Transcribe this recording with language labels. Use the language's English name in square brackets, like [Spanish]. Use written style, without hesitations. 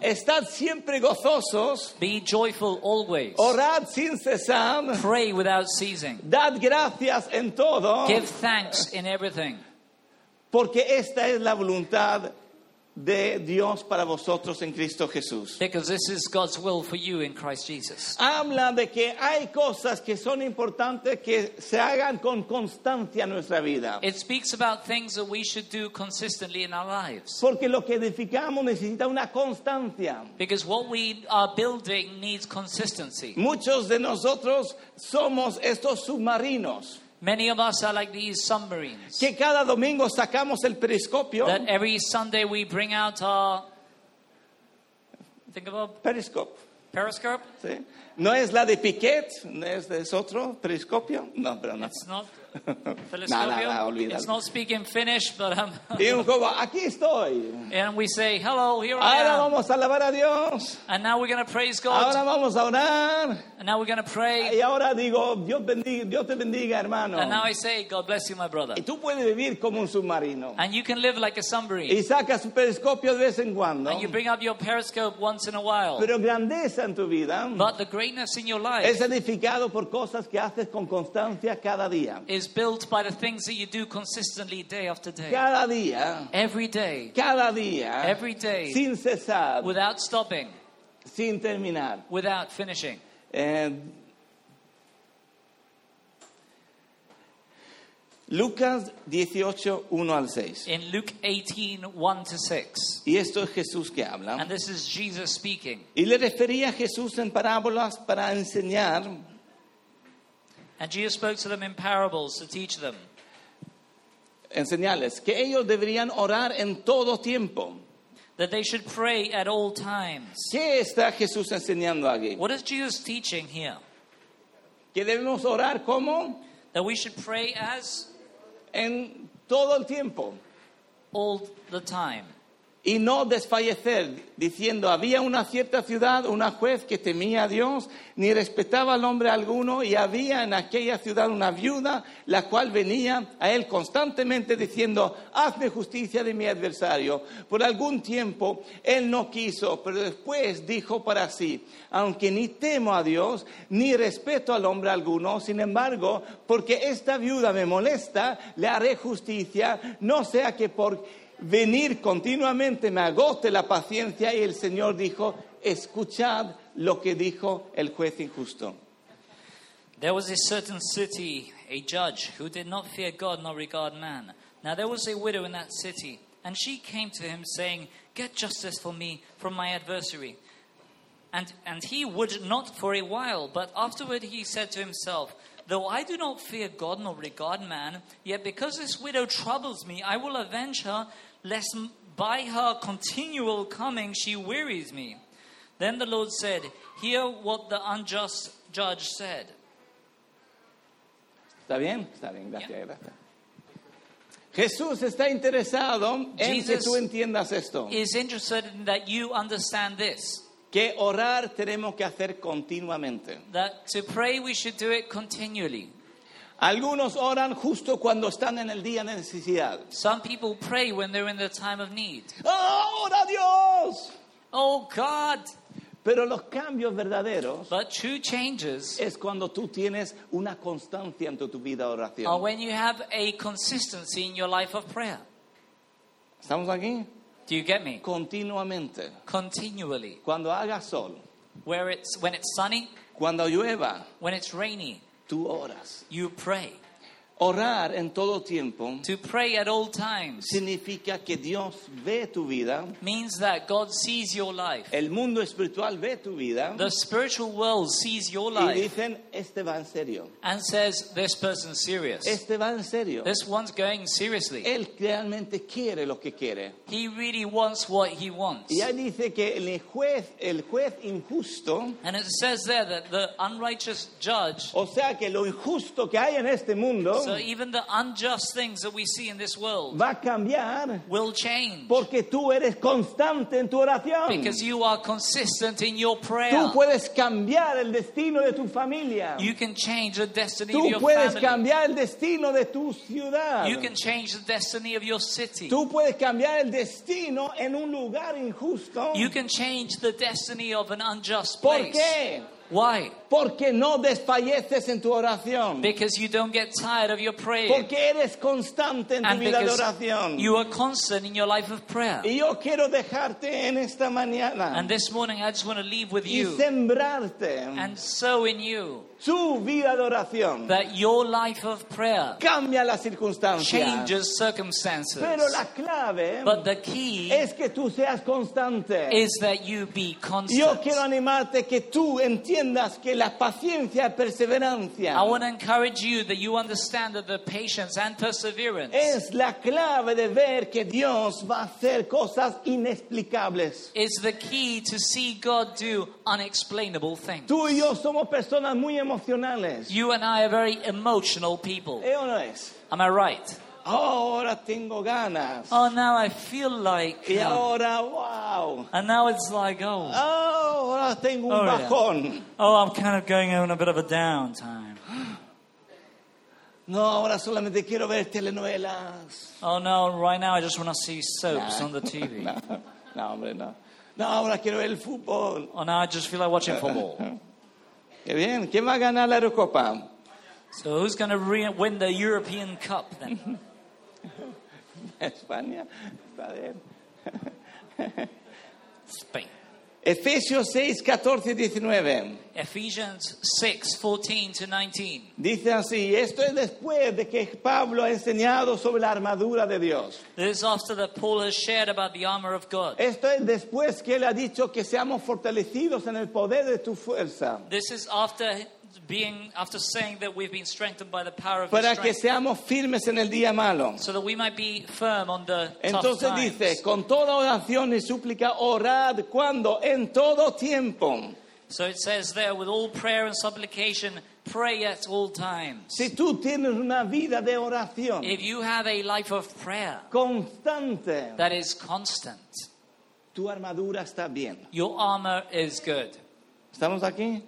[Spanish] Estad siempre gozosos. [English] Be joyful always. [Spanish] Orad sin cesar. [English] Pray without ceasing. [Spanish] Dad gracias en todo. [English] Give thanks in everything. [Spanish] Porque esta es la voluntad de Dios para vosotros en Cristo Jesús. [English] Because this is God's will for you in Christ Jesus. [Spanish] Habla de que hay cosas que son importantes que se hagan con constancia en nuestra vida. [English] It speaks about things that we should do consistently in our lives. [Spanish] Porque lo que edificamos necesita una constancia. [English] Because what we are building needs consistency. [Spanish] Muchos de nosotros somos estos submarinos. [English] Many of us are like these submarines. [Spanish] Que cada domingo sacamos el periscopio. [English] That every Sunday we bring out our... Think of a... Periscope. Periscope? [Spanish] Sí. No es la de Piquet, no es de otro, periscopio. No, pero no. [English] It's not telescopio. [Spanish] Nada, [English] it's not speaking Finnish, but I'm... [Spanish] Y un juego, aquí estoy. [English] And we say, hello, here [Spanish] ahora [English] I am. [Spanish] Ahora vamos a alabar a Dios. [English] And now we're going to praise God. [Spanish] Ahora vamos a orar. [English] And now we're going to pray. [Spanish] Y ahora digo, Dios te bendiga, hermano. [English] And now I say, God bless you, my brother. [Spanish] Y tú puedes vivir como un submarino. [English] And you can live like a submarine. [Spanish] Y sacas un periscopio de vez en cuando. [English] And you bring up your periscope once in a while. [Spanish] Pero grandeza en tu vida. [English] But the greatness in your life [Spanish] es edificado por cosas que haces con constancia cada día. [English] Is built by the things that you do consistently day after day. [Spanish] Cada día. [English] Every day. [Spanish] Cada día. [English] Every day. [Spanish] Sin cesar. [English] Without stopping. [Spanish] Sin terminar. [English] Without finishing. [Spanish] Lucas 18:1-6. [English] In Luke 18:1-6. [Spanish] Y esto es Jesús que habla. [English] And this is Jesus speaking. [Spanish] Y le refería a Jesús en parábolas para enseñar. [English] And Jesus spoke to them in parables to teach them. [Spanish] Enseñales que ellos deberían orar en todo tiempo. [English] That they should pray at all times. [Spanish] ¿Qué está Jesús enseñando aquí? [English] What is Jesus teaching here? [Spanish] Que debemos orar como? [English] That we should pray as? [Spanish] En todo el tiempo. [English] All the time. [Spanish] Y no desfallecer, diciendo, había una cierta ciudad, una juez que temía a Dios, ni respetaba al hombre alguno, y había en aquella ciudad una viuda, la cual venía a él constantemente diciendo, hazme justicia de mi adversario. Por algún tiempo él no quiso, pero después dijo para sí, aunque ni temo a Dios, ni respeto al hombre alguno, sin embargo, porque esta viuda me molesta, le haré justicia, no sea que por... venir continuamente me agote la paciencia. Y el Señor dijo, escuchad lo que dijo el juez injusto. [English] There was a certain city, a judge, who did not fear God nor regard man. Now there was a widow in that city, and she came to him saying, get justice for me from my adversary. And he would not for a while, but afterward he said to himself, though I do not fear God nor regard man, yet because this widow troubles me, I will avenge her, lest by her continual coming she wearies me. Then the Lord said, hear what the unjust judge said. [Spanish] Está bien, gracias, yeah. Gracias. Jesús está interesado en [English] Jesus [Spanish] que tú entiendas esto. [English] Is interested in that you understand this. [Spanish] Que orar tenemos que hacer continuamente. [English] That to pray we should do it continually. [Spanish] Algunos oran justo cuando están en el día de necesidad. [English] Some people pray when they're in the time of need. [Spanish] ¡Oh, ora Dios! [English] Oh, God! [Spanish] Pero los cambios verdaderos, [English] but true changes, [Spanish] es cuando tú tienes una constancia en tu vida de oración. [English] Are when you have a consistency in your life of prayer. [Spanish] ¿Estamos aquí? [English] Do you get me? [Spanish] Continuamente. [English] Continually. [Spanish] Cuando haga sol. [English] When it's sunny. [Spanish] Cuando llueva. [English] When it's rainy. [Spanish] Tú oras. [English] You pray. [Spanish] Orar en todo tiempo. [English] To pray at all times. [Spanish] Significa que Dios ve tu vida. [English] Means that God sees your life. [Spanish] El mundo espiritual ve tu vida. [English] The spiritual world sees your life. [Spanish] Y dicen, este va en serio. [English] And says, this person's serious. [Spanish] Este va en serio. [English] This one's going seriously. [Spanish] Él realmente quiere lo que quiere. [English] He really wants what he wants. [Spanish] Y ahí dice que el juez injusto. [English] And it says there that the unrighteous judge. [Spanish] O sea que lo injusto que hay en este mundo. [English] So even the unjust things that we see in this world [Spanish] va a cambiar, [English] will change. [Spanish] Porque tú eres constante en tu oración. [English] Because you are consistent in your prayer. [Spanish] Tú puedes cambiar el destino de tu familia. [English] You can change the destiny [Spanish] tú [English] of your family. [Spanish] Tú puedes cambiar el destino de tu ciudad. [English] You can change the destiny of your city. [Spanish] Tú puedes cambiar el destino en un lugar injusto. [English] You can change the destiny of an unjust place. [Spanish] ¿Por qué? [English] Why? [Spanish] Porque no desfalleces en tu oración. [English] Because you don't get tired of your praying. [Spanish] Porque eres constante en [English] and [Spanish] tu vida de oración. [English] You are constant in your life of prayer. [Spanish] Y yo quiero dejarte en esta mañana. [English] And this morning I just want to leave with [Spanish] y [English] you. [Spanish] Y sembrarte. [English] And sow in you. [Spanish] Tu vida de oración. [English] That your life of prayer. [Spanish] Cambia las circunstancias. [English] Changes circumstances. [Spanish] Pero la clave. [English] But the key. [Spanish] Es que tú seas constante. [English] Is that you be constant. [Spanish] Yo quiero animarte que tú entiendas. entiendas que la paciencia y perseverancia. [English] I want to encourage you that you understand that the patience and perseverance [Spanish] es la clave de ver que Dios va a hacer cosas inexplicables. [English] Is the key to see God do unexplainable things. [Spanish] Tú y yo somos personas muy emocionales. [English] You and I are very emotional people. [Spanish] ¿Eh o no es? [English] Am I right? [Spanish] Ahora tengo ganas. [English] Oh, now I feel like. [Spanish] Y ahora, wow. [English] And now it's like, oh. [Spanish] Oh, ahora tengo un bajón. Yeah. [English] Oh, I'm kind of going on a bit of a down time. [Spanish] No, ahora solamente quiero ver telenovelas. [English] Oh no, right now I just want to see soaps on the TV. [Spanish] No, no, hombre, no. No, ahora quiero ver el fútbol. [English] Oh, now I just feel like watching football. [Spanish] Qué bien. ¿Quién va a ganar la Eurocopa? [English] So who's going to win the European Cup then? [Spanish] España. Está bien. [English] Spain. [Spanish] Efesios 6, 14 y 19. [English] Ephesians 6, 14 to 19. [Spanish] Dice así, esto es después de que Pablo ha enseñado sobre la armadura de Dios. [English] This is after that Paul has shared about the armor of God. [Spanish] Esto es después que él ha dicho que seamos fortalecidos en el poder de tu fuerza. [English] This is after... After saying that we've been strengthened by the power of [Spanish] para [English] strength, [Spanish] que seamos firmes en el día malo. [English] So that we might be firm on the [Spanish] entonces [English] tough [Spanish] dice, [English] times. [Spanish] Con toda oración y súplica, orad cuando, en todo tiempo. [English] So it says there, with all prayer and supplication, pray at all times. [Spanish] Si tú tienes una vida de oración, [English] if you have a life of prayer, [Spanish] constante, [English] that is constant, [Spanish] tu armadura está bien. [English] Your armor is good. [Spanish] ¿Estamos aquí?